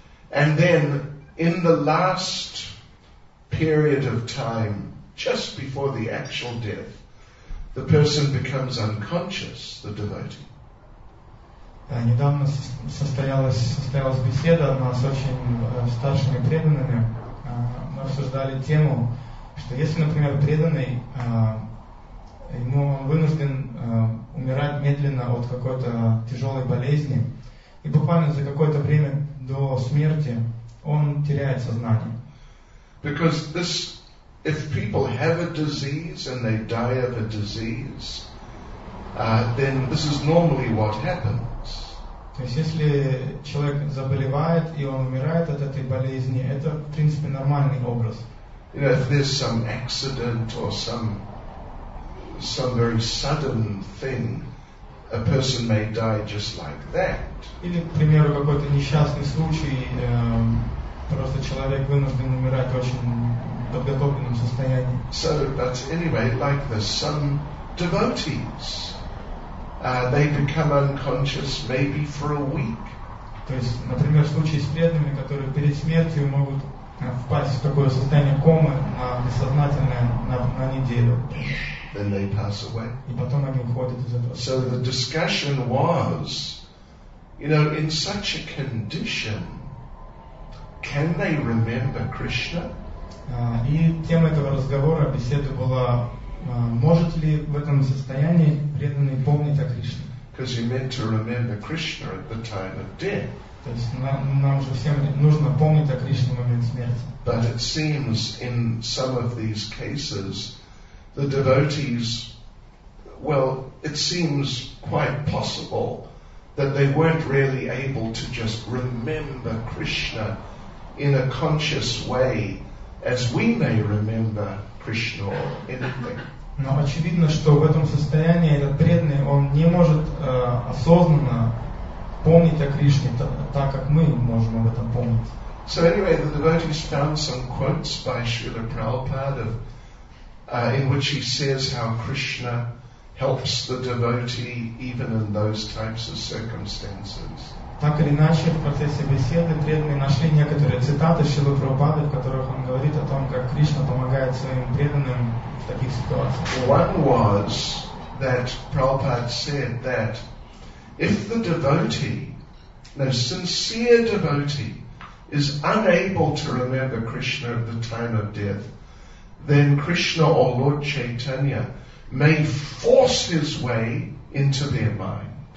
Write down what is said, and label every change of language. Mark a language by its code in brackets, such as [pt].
[en] And then in the last period of time, just before the actual death, the person becomes unconscious, the devotee. [ru] Да, недавно состоялась беседа у нас с очень старшими преданными. Мы обсуждали тему, что если, например, преданный, ему вынужден умирать медленно от какой-то тяжелой болезни, и буквально за какое-то время до смерти он теряет сознание. [en] Because this, if people have a disease and they die of a disease, then this is normally what happens. [ru] То есть если человек заболевает и он умирает от этой болезни, это в принципе нормальный образ. [en] You know, if there's some accident or some very sudden thing, a person may die just like that. [ru] Или, к примеру, какой-то несчастный случай, просто человек вынужден умирать в очень подготовленном состоянии. [en] So, but anyway, like this, some devotees, they become unconscious maybe for a week. [ru] То есть, например, в случае с преданными, которые перед смертью могут впасть в такое состояние комы, бессознательное, на неделю. [en] Then they pass away. [ru] И потом они уходят из этого. [en] So the discussion was, you know, in such a condition, can they remember Krishna? [ru] И тема этого разговора, беседы была, может ли в этом состоянии преданный помнить о Кришне? [en] Because you meant to remember Krishna at the time of death. [ru] То есть нам же всем нужно помнить о Кришне в момент смерти. [en] But it seems in some of these cases, the devotees, well, it seems quite possible that they weren't really able to just remember Krishna in a conscious way, as we may remember Krishna or anything. [ru] Но очевидно, что в этом состоянии этот преданный, он не может осознанно помнить о Кришне так, как мы можем об этом помнить. [en] So anyway, the devotees found some quotes by Srila Prabhupada of, in which he says how Krishna helps the devotee even in those types of circumstances. [ru] Так или иначе, в процессе беседы преданные нашли некоторые цитаты Шрилы Прабхупады, в которых он говорит о том, как Кришна помогает своим преданным в таких ситуациях. [en] One was that Prabhupada said that if the devotee, the sincere devotee, is unable to remember Krishna at the time of death, then Krishna or Lord Chaitanya may force his way into their mind.